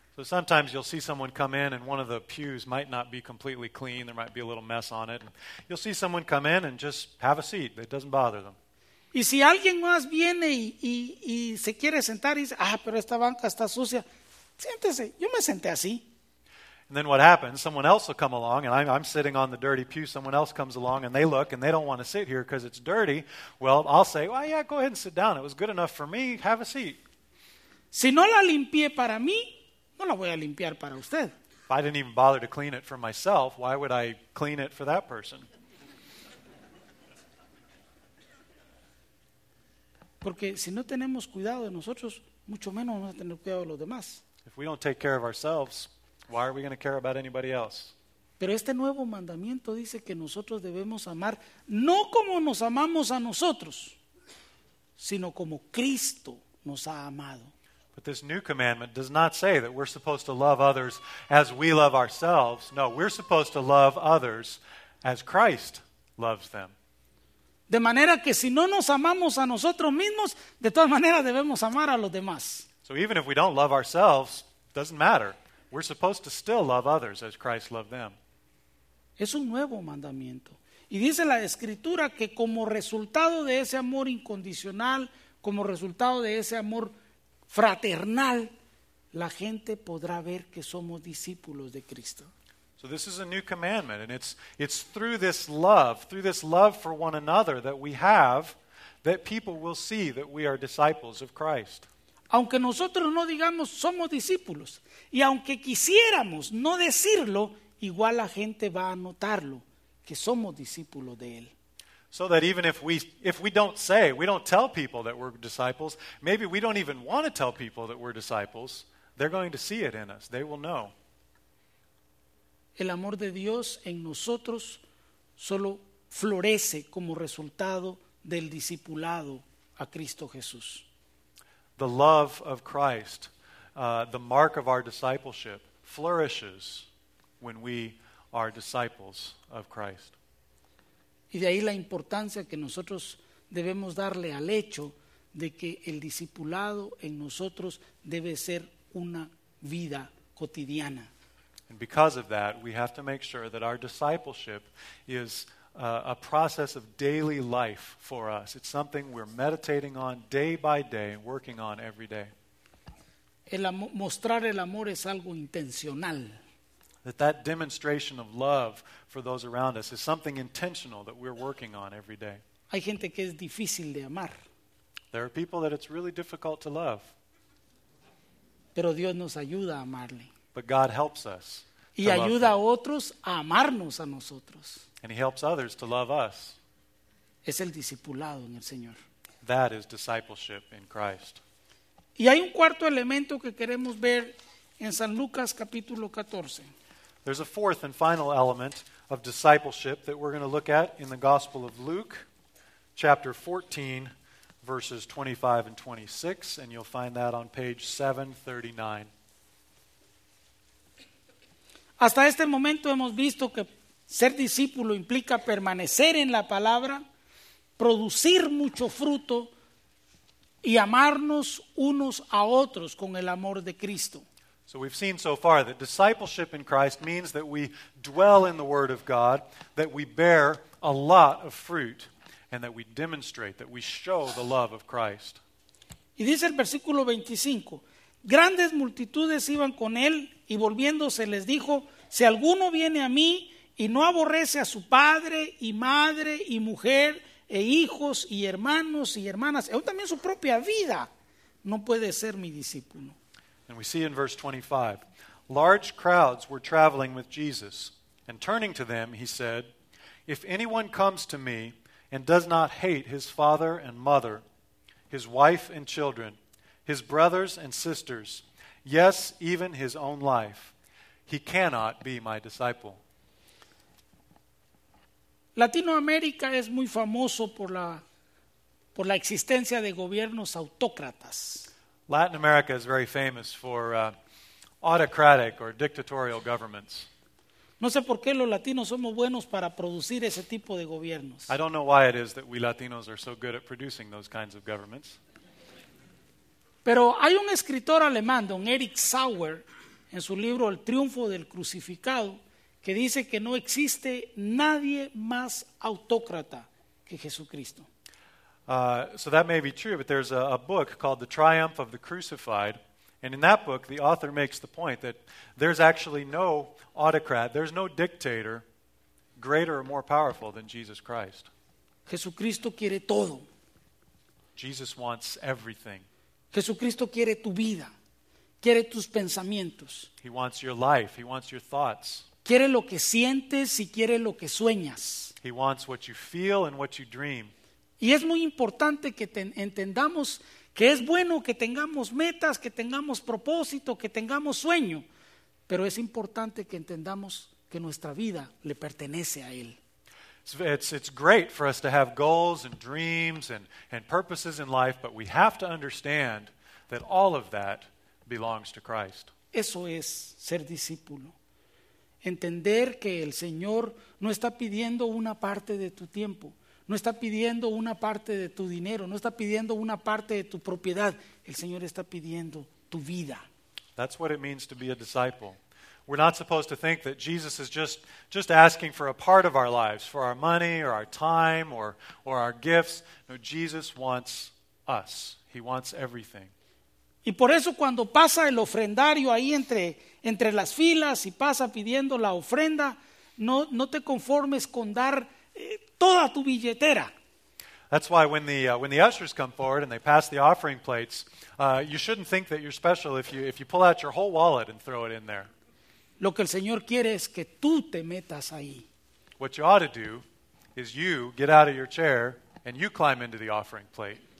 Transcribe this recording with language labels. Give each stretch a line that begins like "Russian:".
English: So sometimes you'll see someone come in and one of the pews might not be completely clean. There might be a little mess on it. You'll see someone come in and just have a seat. It doesn't bother them.
Spanish: Y si alguien más viene y se quiere sentar y dice, ah, pero esta banca está sucia. Siéntese, yo me senté así.
English: And then what happens? Someone else will come along and I'm sitting on the dirty pew. Someone else comes along and they look and they don't want to sit here because it's dirty. Well, I'll say, well, yeah, go ahead and sit down. It was good enough for me. Have a seat.
Spanish: Si no la limpié para mí, no la voy a limpiar para usted.
English: If I didn't even bother to clean it for myself, why would I clean it for that person?
Spanish: Porque si no tenemos cuidado de nosotros, mucho menos vamos a tener cuidado de los demás.
English: If we don't take care of ourselves, why are we going to care about anybody else?
Spanish: Pero este nuevo mandamiento dice que nosotros debemos amar no como nos amamos a nosotros, sino como Cristo nos ha amado.
English: But this new commandment does not say that we're supposed to love others as we love ourselves. No, we're supposed to love others as Christ loves them.
Spanish: De manera que si no nos amamos a nosotros mismos, de todas maneras debemos amar a los demás.
English: So even if we don't love ourselves, it doesn't matter. We're supposed to still love others as Christ loved them.
Spanish: Es un nuevo mandamiento. Y dice la Escritura que como resultado de ese amor incondicional, como resultado de ese amor fraternal, la gente podrá ver que somos discípulos de Cristo.
English: So this is a new commandment, and it's through this love for one another that we have, that people will see that we are disciples of Christ.
Spanish: Aunque nosotros no digamos somos discípulos, y aunque quisiéramos no decirlo, igual la gente va a notarlo, que somos discípulos de Él.
English: So that even if we don't tell people that we're disciples, maybe we don't even want to tell people that we're disciples, they're going to see it in us. They will know.
Spanish: El amor de Dios en nosotros solo florece como resultado del discipulado a Cristo Jesús.
English: The love of Christ, the mark of our discipleship, flourishes when we are disciples of Christ.
Spanish: Y de ahí la importancia que nosotros debemos darle al hecho de que el discipulado en nosotros debe ser una vida cotidiana.
English: And because of that, we have to make sure that our discipleship is a process of daily life for us. It's something we're meditating on day by day, working on every day.
Spanish: Mostrar el amor es algo intencional.
English: That demonstration of love for those around us is something intentional that we're working on every day.
Spanish: Hay gente que es difícil de amar.
English: There are people that it's really difficult to love.
Spanish: Pero Dios nos ayuda a amarle.
English: But God helps us.
Spanish: Y ayuda a otros a amarnos a nosotros.
English: And he helps others to love us.
Spanish: Es el discipulado en el Señor.
English: That is discipleship in Christ.
Spanish: Y hay un cuarto elemento que queremos ver en San Lucas capítulo 14.
English: There's a fourth and final element of discipleship that we're going to look at in the Gospel of Luke, chapter 14, verses 25 and 26, and you'll find that on page 739.
Spanish: Hasta este momento hemos visto que ser discípulo implica permanecer en la palabra, producir mucho fruto y amarnos unos a otros con el amor de Cristo.
English: So we've seen so far that discipleship in Christ means that we dwell in the Word of God, that we bear a lot of fruit, and that we demonstrate, that we show the love of Christ.
Spanish: Y dice el versículo 25, grandes multitudes iban con él, y volviéndose les dijo, si alguno viene a mí y no aborrece a su padre y madre y mujer e hijos y hermanos y hermanas, aún también su propia vida, no puede ser mi discípulo.
English: And we see in verse 25, large crowds were traveling with Jesus, and turning to them, he said, if anyone comes to me and does not hate his father and mother, his wife and children, his brothers and sisters, yes, even his own life, he cannot be my disciple.
Spanish: Latinoamérica es muy famoso por la existencia de gobiernos autócratas.
English: Latin America is very famous for autocratic or dictatorial governments.
Spanish: No sé por qué los latinos somos buenos para producir ese tipo de gobiernos.
English: I don't know why it is that we Latinos are so good at producing those kinds of governments.
Spanish: Pero hay un escritor alemán, don Erich Sauer, en su libro El Triunfo del Crucificado, que dice que no existe nadie más autócrata que Jesucristo.
English: So that may be true, but there's a book called The Triumph of the Crucified, and in that book, the author makes the point that there's actually no autocrat, there's no dictator greater or more powerful than Jesus Christ.
Spanish: Jesucristo quiere todo.
English: Jesus wants everything.
Spanish: Jesucristo quiere tu vida, quiere tus pensamientos.
English: He wants your life, he wants your thoughts.
Spanish: Quiere lo que sientes y quiere lo que sueñas.
English: He wants what you feel and what you dream.
Spanish: Y es muy importante que entendamos que es bueno que tengamos metas, que tengamos propósito, que tengamos sueño, pero es importante que entendamos que nuestra vida le pertenece a Él.
English: It's great for us to have goals and dreams and purposes in life, but we have to understand that all of that belongs to Christ.
Spanish: Eso es ser discípulo. Entender que el Señor no está pidiendo una parte de tu tiempo, no está pidiendo una parte de tu dinero, no está pidiendo una parte de tu propiedad. El Señor está pidiendo tu vida.
English: That's what it means to be a disciple. We're not supposed to think that Jesus is just asking for a part of our lives, for our money or our time or our gifts. No, Jesus wants us. He wants everything.
Spanish: Y por eso cuando pasa el ofrendario ahí entre las filas y pasa pidiendo la ofrenda, no te conformes con dar toda tu billetera.
English: That's why when the ushers come forward and they pass the offering plates, you shouldn't think that you're special if you pull out your whole wallet and throw it in there.
Spanish: Lo que el Señor quiere es que tú te metas ahí.
English: What you ought to do is you get out of your chair and you climb into the offering plate.